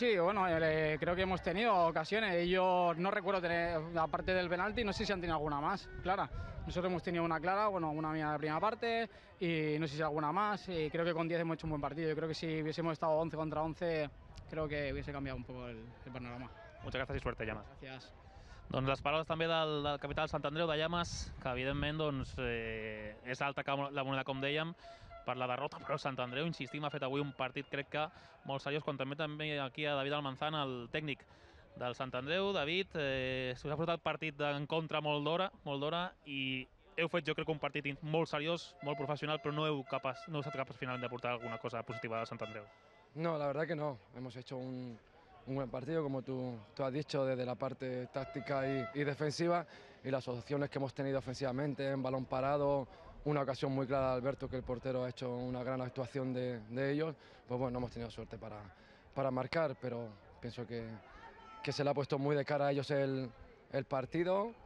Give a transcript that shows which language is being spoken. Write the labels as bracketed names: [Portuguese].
[Spanish] Bueno, creo que hemos tenido ocasiones. Yo no recuerdo tener, aparte del penalti, no sé si han tenido alguna más clara. Nosotros hemos tenido una clara, bueno, una mía de primera parte, y no sé si alguna más. Y creo que con 10 hemos hecho un buen partido. Yo creo que si hubiésemos estado 11 contra 11, creo que hubiese cambiado un poco el panorama. Muchas gracias y suerte, Llamas. Gracias. [Catalan] Doncs les paraules també del capità del Sant Andreu, de Llamas, que evidentment doncs, és alta la moneda, com dèiem, per la derrota, però Sant Andreu, insistim, ha fet avui un partit, crec que, molt seriós, quan també aquí a David Almanzán, el tècnic del Sant Andreu. David, si us ha portat partit en contra molt d'hora, i heu fet, jo crec, un partit molt seriós, molt professional, però no heu estat capaç finalment de portar alguna cosa positiva de Sant Andreu. [Spanish] No, la verdad que no. Hemos hecho un buen partido, como tú has dicho, desde la parte táctica y defensiva, y las opciones que hemos tenido ofensivamente, en balón parado, una ocasión muy clara de Alberto, que el portero ha hecho una gran actuación de ellos, pues bueno, no hemos tenido suerte para marcar, pero pienso que se le ha puesto muy de cara a ellos el partido.